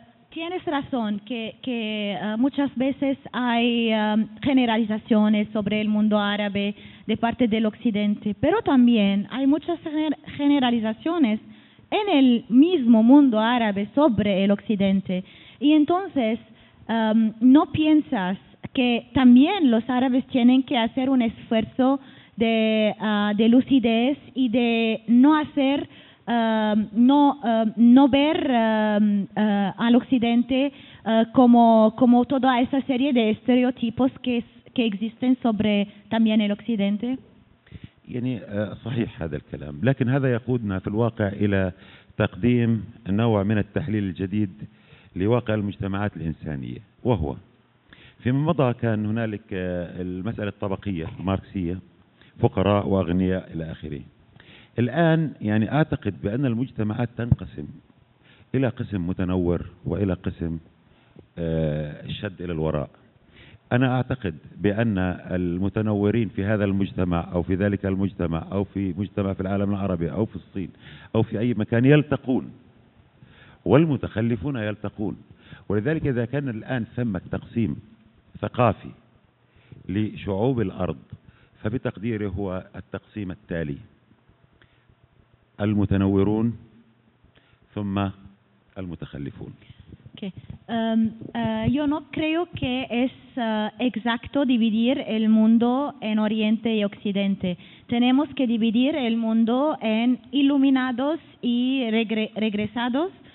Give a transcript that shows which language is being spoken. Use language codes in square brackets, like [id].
[es] tienes razón que muchas veces hay generalizaciones sobre el mundo árabe de parte del occidente, pero también hay muchas generalizaciones en el mismo mundo árabe sobre el occidente. Y entonces, ¿no piensas que también los árabes tienen que hacer un esfuerzo de lucidez y de no hacer no ver al occidente como toda esa serie de estereotipos que existen sobre también el occidente? [ar] يعني صحيح هذا الكلام، لكن هذا يقودنا في الواقع الى تقديم نوع من التحليل الجديد لواقع المجتمعات الانسانيه، وهو فيما مضى كان هنالك المساله الطبقيه الماركسيه، فقراء واغنياء الى اخره. الآن يعني أعتقد بأن المجتمعات تنقسم إلى قسم متنور وإلى قسم الشد إلى الوراء. أنا أعتقد بأن المتنورين في هذا المجتمع أو في ذلك المجتمع أو في مجتمع في العالم العربي أو في الصين أو في أي مكان يلتقون، والمتخلفون يلتقون. ولذلك إذا كان الآن ثم تقسيم ثقافي لشعوب الأرض، فبتقديري هو التقسيم التالي: المتنورون ثم المتخلفون. Okay. [es] Yo no creo que es exacto dividir el mundo en Oriente y Occidente. Tenemos que dividir el mundo en iluminados y regresados.